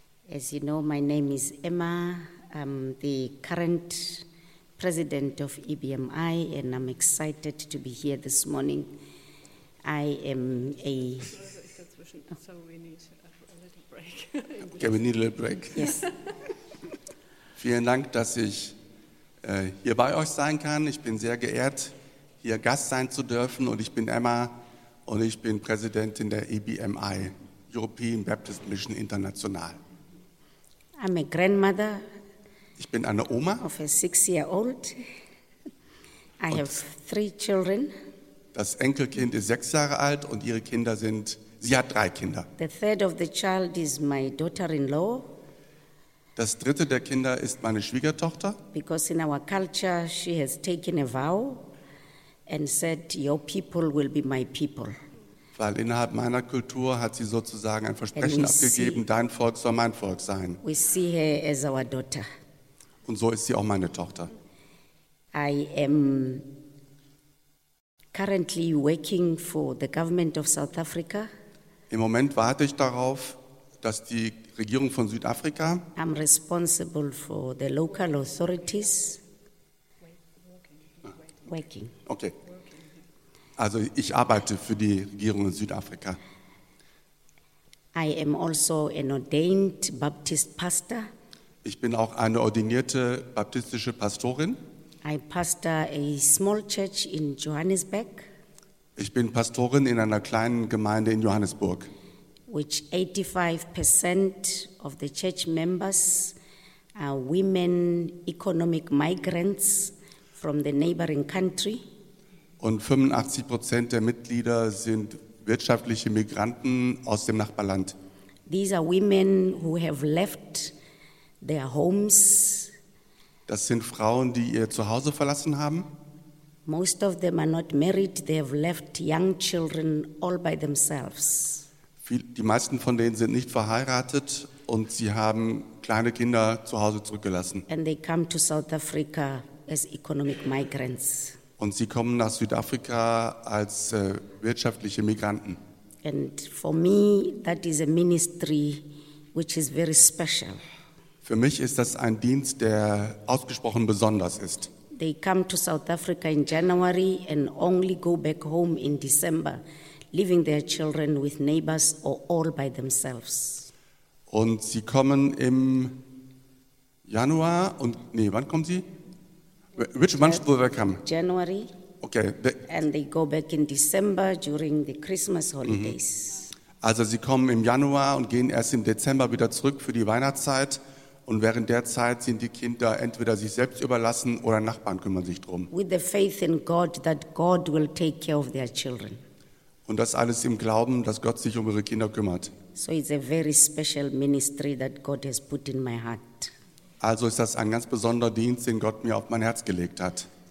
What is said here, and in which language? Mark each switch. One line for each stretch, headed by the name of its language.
English: As you know, my name is Emma. I'm the current president of EBMI, and I'm excited to be here this morning. I am a... So we need a little break. Okay, we need a little break. Yes.
German: Vielen Dank, dass ich hier bei euch sein kann. Ich bin sehr geehrt, hier Gast sein zu dürfen, und ich bin Emma. Und ich bin Präsidentin der EBMI, European Baptist Mission International.
English: I'm a grandmother.
German: Ich bin eine Oma.
English: Of a six-year-old. I have three children.
German: Das Enkelkind ist 6 Jahre alt und ihre Kinder sind, sie hat 3 Kinder.
English: The third of the child is my daughter-in-law.
German: Das dritte der Kinder ist meine Schwiegertochter.
English: Because in our culture she has taken a vow. And said, "Your people will be my people."
German: Weil innerhalb meiner Kultur hat sie sozusagen ein Versprechen abgegeben, dein Volk soll mein Volk sein.
English: We see her as our daughter.
German: Und so ist sie auch meine Tochter.
English: I am currently working for the government of South Africa. Im Moment warte ich darauf, dass die Regierung von Südafrika. I'm responsible for the local authorities. Working. Okay.
German: Also ich arbeite für die Regierung in Südafrika.
English: I am also an ordained Baptist pastor.
German: Ich bin auch eine ordinierte baptistische Pastorin.
English: I pastor a small church in Johannesburg.
German: Ich bin Pastorin in einer kleinen Gemeinde in Johannesburg.
English: Which 85% of the church members are women economic migrants. From the neighboring country.
German: Und 85% der Mitglieder sind wirtschaftliche Migranten aus dem Nachbarland.
English: These are women who have left their homes.
German: Das sind Frauen, die ihr Zuhause verlassen haben.
English: Most of them are not married. They have left young children all by themselves.
German: Die meisten von denen sind nicht verheiratet und sie haben kleine Kinder zu Hause zurückgelassen.
English: And they come to South Africa. As economic migrants.
German: Und sie kommen nach Südafrika als wirtschaftliche Migranten.
English: And for me, that is a ministry which is very special.
German: Für mich ist das ein Dienst, der ausgesprochen besonders ist.
English: They come to South Africa in January and only go back home in December, leaving their children with neighbors or all by themselves.
German: Und sie kommen im Januar und nee, wann kommen sie?
English: Which month will they come? January. Okay. And they go back in December during the Christmas holidays.
German: Also sie kommen im Januar und gehen erst im Dezember wieder zurück für die Weihnachtszeit. Und während der Zeit sind die Kinder entweder sich selbst überlassen oder Nachbarn kümmern sich drum.
English: With the faith in God that God will take care of their children.
German: Und das alles im Glauben, dass Gott sich um ihre Kinder kümmert.
English: So it's a very special ministry that God has put in my heart.
German: Also ist das ein ganz besonderer Dienst, den Gott mir auf mein Herz gelegt hat.